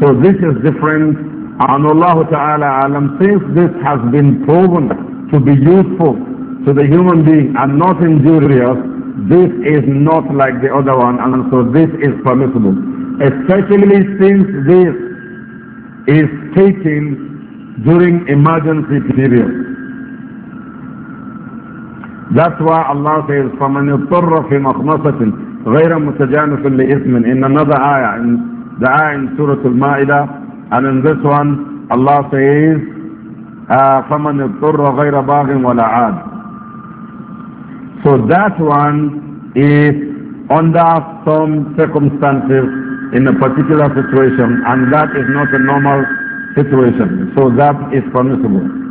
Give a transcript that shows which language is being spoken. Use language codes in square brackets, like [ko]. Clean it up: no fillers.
[en] So this is different. And Allah ta'ala alam, since this has been proven to be useful to the human being and not injurious, this is not like the other one, and so this is permissible. Especially since this is taken during emergency period. That's why Allah says, [ar] فَمَنِ اضْطَرَّ فِي مَخْمَصَةٍ غَيْرَ مُتَجَانِفٍ لِإِثْمٍ. [en] In another ayah, in the ayah in Surah Al-Ma'idah, and in this one, Allah says, [ar] فَمَنِ اضْطَرَّ غَيْرَ بَاغٍ وَلَا عَادٍ. [en] So that one is under some circumstances in a particular situation, and that is not a normal situation. So that is permissible.